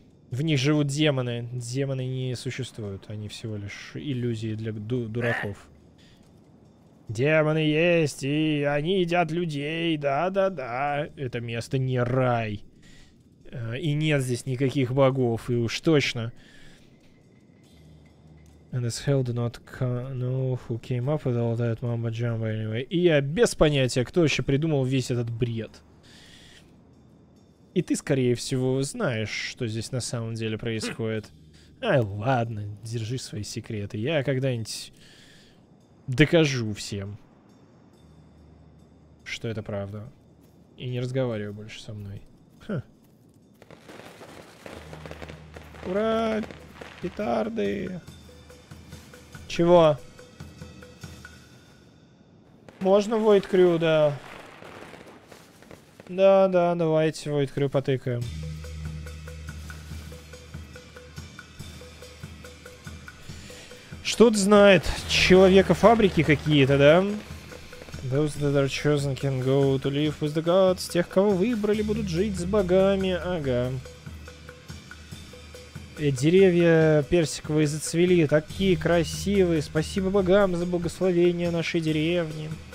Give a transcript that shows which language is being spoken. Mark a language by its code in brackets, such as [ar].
[ru] В них живут демоны. Демоны не существуют. Они всего лишь иллюзии для дураков. Демоны есть, и они едят людей. Да-да-да. Это место не рай. И нет здесь никаких богов. И уж точно. [en] And as hell do not know who came up with all that mumbo-jumbo anyway. [ru] И я без понятия, кто еще придумал весь этот бред. И ты, скорее всего, знаешь, что здесь на самом деле происходит. Ай, ладно, держи свои секреты. Я когда-нибудь докажу всем, что это правда. И не разговаривай больше со мной. Ха. Ура, петарды. Чего? Можно Void Crew, да. Да-да, давайте Void Crew потыкаем. Что-то знает человека фабрики какие-то, да? [en] Those that are chosen can go to live with the gods. [ru] Тех, кого выбрали, будут жить с богами. Ага. Деревья персиковые зацвели, такие красивые. Спасибо богам за благословение нашей деревни.